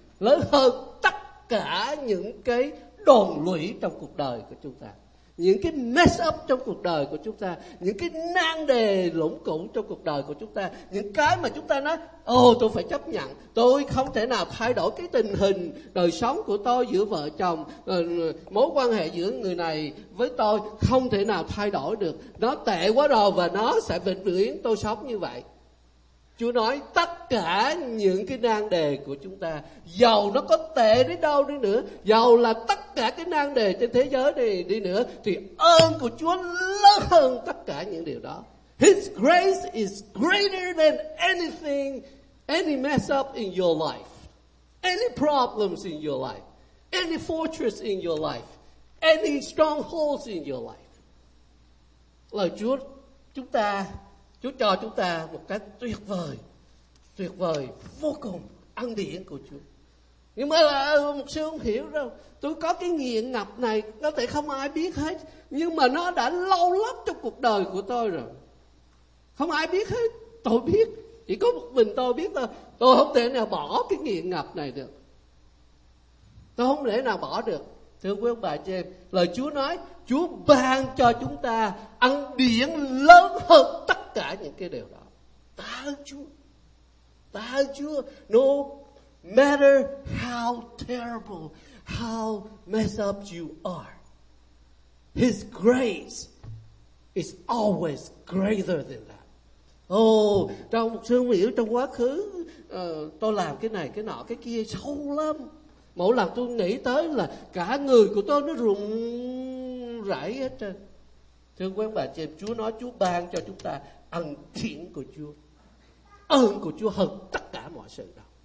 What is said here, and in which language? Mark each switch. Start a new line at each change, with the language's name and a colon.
Vietnamese: Lớn hơn tất cả những cái đồn lũy trong cuộc đời của chúng ta, những cái mess up trong cuộc đời của chúng ta, những cái nan đề lủng củng trong cuộc đời của chúng ta, những cái mà chúng ta nói tôi phải chấp nhận, tôi không thể nào thay đổi cái tình hình đời sống của tôi giữa vợ chồng, mối quan hệ giữa người này với tôi không thể nào thay đổi được, nó tệ quá rồi và nó sẽ vĩnh viễn tôi sống như vậy. Chúa nói tất cả những cái nan đề của chúng ta, dầu nó có tệ đến đâu đi nữa, dầu là tất cả cái nan đề trên thế giới này đi nữa, thì ơn của Chúa lớn hơn tất cả những điều đó.
English: His grace is greater than anything, any mess up in your life, any problems in your life, any fortress in your life, any strongholds in your life.
Vietnamese: Lời Chúa chúng ta, Chúa cho chúng ta một cái tuyệt vời vô cùng ân điển của Chúa. Nhưng mà là một sư không hiểu đâu, tôi có cái nghiện ngập này có thể không ai biết hết, nhưng mà nó đã lâu lắm trong cuộc đời của tôi rồi, không ai biết hết, tôi biết, chỉ có một mình tôi biết thôi. Tôi không thể nào bỏ cái nghiện ngập này được, tôi không thể nào bỏ được. Thưa quý ông bà chị em, lời Chúa nói Chúa ban cho chúng ta ân điển lớn hơn tất cả những cái điều đó. Ta ơn Chúa,
English: no matter how terrible, how messed up you are, His grace is always greater than that.
Vietnamese: Trong một sự hiểu trong quá khứ, tôi làm cái này, cái nọ, cái kia sâu lắm. Mỗi lần tôi nghĩ tới là cả người của tôi nó rụng rãi hết trơn. Thưa quý ông bà chị em, Chúa nói Chúa ban cho chúng ta ân điển của Chúa. Ơn của Chúa hơn tất cả mọi sự đó.